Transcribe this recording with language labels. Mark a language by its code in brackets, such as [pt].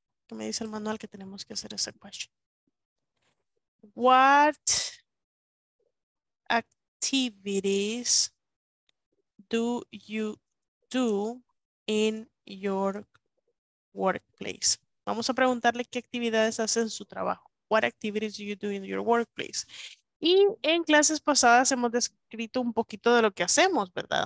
[es] ¿Qué me dice el manual que tenemos que hacer esa question? [en] What activities do you do in your workplace? [es] Vamos a preguntarle qué actividades hace en su trabajo. [en] What activities do you do in your workplace? [es] Y en clases pasadas hemos descrito un poquito de lo que hacemos, ¿verdad?